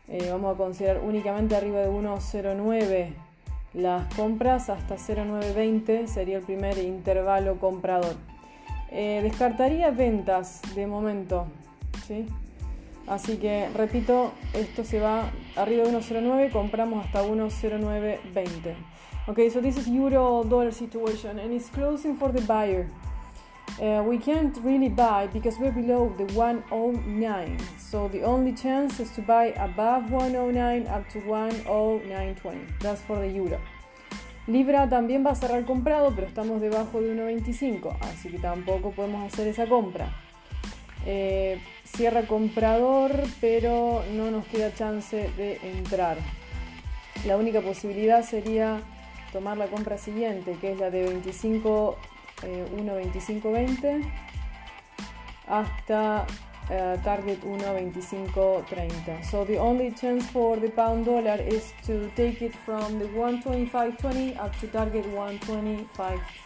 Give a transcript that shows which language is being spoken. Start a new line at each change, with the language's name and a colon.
Spanish: Vamos a considerar únicamente arriba de 1.09 las compras, hasta 0.920 sería el primer intervalo comprador. Descartaría ventas de momento, ¿sí? Así que, repito, esto se va arriba de 1.09, compramos hasta 1.0920.
English: Okay, so this is euro dollar situation and it's closing for the buyer. We can't really buy because we're below the 1.09. So the only chance is to buy above 1.09 up to 1.0920. That's for the euro.
Spanish: Libra también va a cerrar comprado, pero estamos debajo de 1.25, así que tampoco podemos hacer esa compra. Cierra comprador, pero no nos queda chance de entrar. La única posibilidad sería tomar la compra siguiente, que es la de 1.2520 hasta target 1.2530.
English: So the only chance for the pound dollar is to take it from the 1.2520 up to target 1.2530.